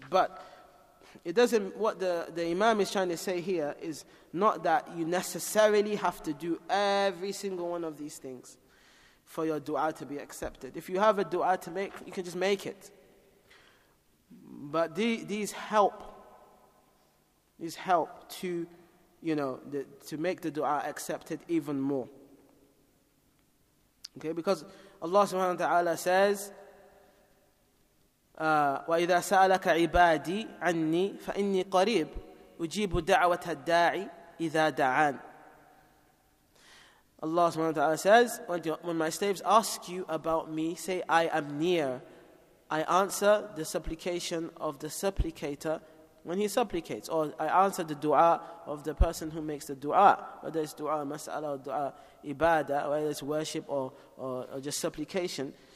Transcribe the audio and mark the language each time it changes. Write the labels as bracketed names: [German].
[English] But it doesn't. What the imam is trying to say here is not that you necessarily have to do every single one of these things for your dua to be accepted. If you have a dua to make, you can just make it. But these help to, you know, to make the dua accepted even more. Okay, because Allah subhanahu wa ta'ala says, [Arabic] وَإِذَا سَأَلَكَ عِبَادِي عَنِّي فَإِنِّي قَرِيبٌ أُجِيبُ دَعْوَةَ الدَّاعِ إِذَا دَعَانِ. [English] Allah subhanahu wa ta'ala says, when my slaves ask you about me, say, I am near. I answer the supplication of the supplicator when he supplicates. Or I answer the dua of the person who makes the dua. Whether it's dua, mas'ala, or dua, ibadah, whether it's worship or just supplication.